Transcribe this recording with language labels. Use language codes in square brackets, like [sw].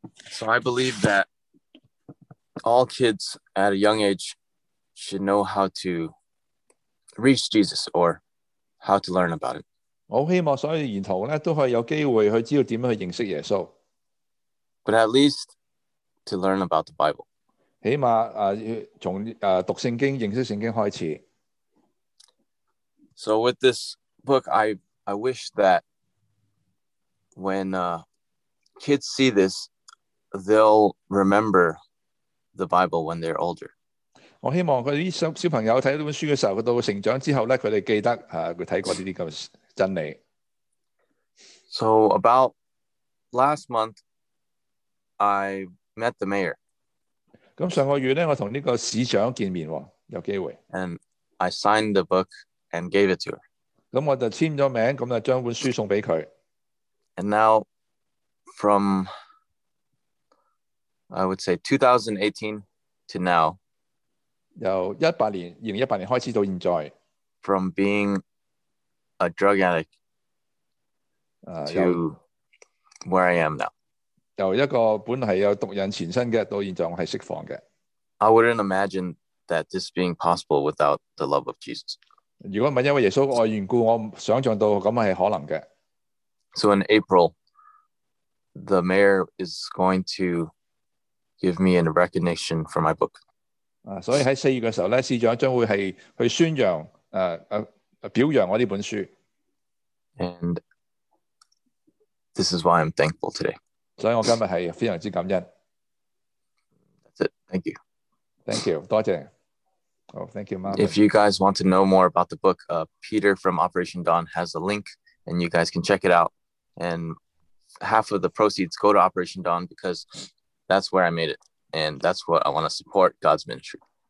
[en] So I believe that all kids at a young age should know how to reach Jesus or how to learn about it. [yue] 我希望所有兒童咧都可以有機會去知道點樣去認識耶穌。 [en] But at least to learn about the Bible. [yue] 起碼從讀聖經認識聖經開始。 [en] So with this book, I wish that when kids see this, they'll remember the Bible when they're older. [yue] 我希望佢啲小朋友睇呢本書嘅時候，佢到成長之後咧，佢哋記得佢睇過呢啲咁真理。 [en] So about last month, I met the mayor. [yue] 咁上個月咧，我同呢個市長見面喎，有機會。 [en] And I signed the book and gave it to her。 [yue] 咁我就簽咗名，咁就將本書送俾佢。 [en] And now, from I would say 2018 to now， [yue] 由2018年開始到現在 [en] ，from being a drug addict to where I am now。 [yue] 由一個本來係有毒癮纏身嘅，到現在我係釋放嘅。 [en] I wouldn't imagine that this being possible without the love of Jesus. [yue] 如果唔係因為耶穌愛緣故，我想像到咁係可能嘅。 [en] So in April, the mayor is going to give me a recognition for my book. [yue] 所以喺四月嘅時候咧，市長將會係去宣揚表揚我呢本書。 [en] And this is why I'm thankful today. [yue] 所以我今日係非常之感恩。 [en] That's it. Thank you. Thank you. [yue] 多謝。 [en] Oh, thank you, Marvin. If you guys want to know more about the book, Peter from Operation Dawn has a link, and you guys can check it out. And half of the proceeds go to Operation Dawn because that's where I made it, and that's what I want to support God's ministry.